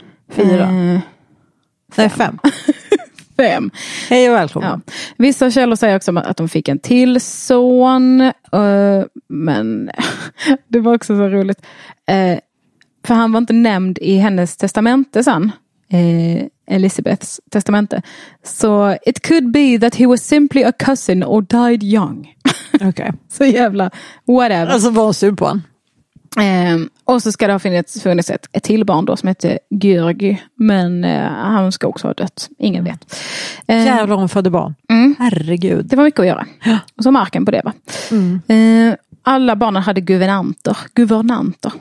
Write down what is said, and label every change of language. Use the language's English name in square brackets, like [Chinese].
[Swedish] 4. Nej, 5. 5. Hej och välkomna. Ja. Vissa källor säger också att de fick en till son. Men det var också så roligt. För han var inte nämnd i hennes testamente sen. Elisabeths testamente. Så [English] it could be that he was simply a cousin or died young. [Swedish] Okej. [English] Okay. [Swedish] Så jävla, [English] whatever. [Swedish] Alltså var sur på han. Och så ska det ha funnits ett till barn då som heter Gyrgy. Men han ska också ha dött. Ingen vet. Jävlar hon födde barn. Mm. Herregud. Det var mycket att göra. Och så marken på det, va? Mm. Alla barnen hade guvernanter.